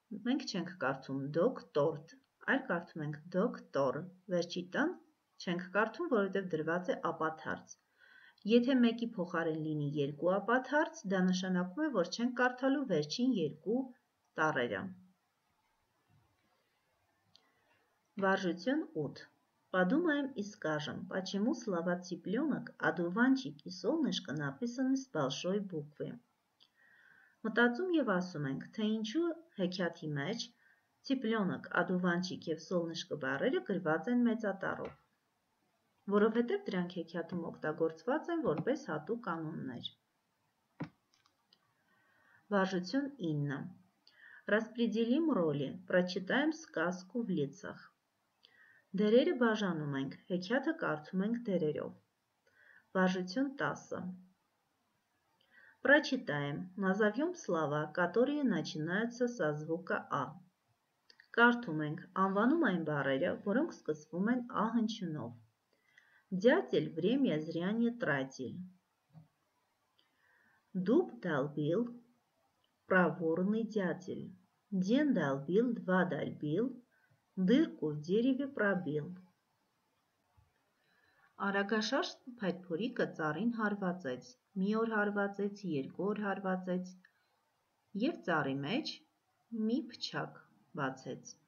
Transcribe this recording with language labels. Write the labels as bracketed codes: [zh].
[hy] մենք չենք կարդում «դոկ տորթ», այլ կարդում ենք «դոկ տոր», վերջի տն չենք կարդում, որովհետև դրված է ապատհարց։ Եթե մեկի փոխարեն լինի երկու ապատհարց, դա նշանակում է, որ չենք կարդալու վերջին երկու տառերը։ Վարժություն 8. [ru] Подумаем и скажем, почему слова цыпленок, одуванчик и солнышко написаны с большой буквы. [hy] Մտածում եւ ասում ենք, թե ինչու հեքիաթի մեջ цыпленок, одуванчик եւ солнышко բառերը գրված են մեծատառով, որովհետեւ դրանք հեքիաթում օգտագործված են որպես հատուկ կանոններ։ Վարժություն 9. [ru] Распределим роли, прочитаем сказку в лицах. [hy] Դերերը բաժանում ենք, հեքիաթը կարդում ենք դերերով։ Վարժություն 10. [ru] Прочитаем. Назовем слова, которые начинаются со звука А. [hy] Կարդում ենք, անվանում այն բառերը, որոնք սկսվում են А հնչյունով. [ru] Дятел время зря не тратил. Дуб долбил, проворный дятел. Ден долбил, два долбил, дырку в дереве пробил. [hy] Արագաշարժ փայտփորիկը ծառին հարվածեց, մի օր հարվածեց, երկու օր հարվածեց, և ծառի մեջ մի փչակ բացեց։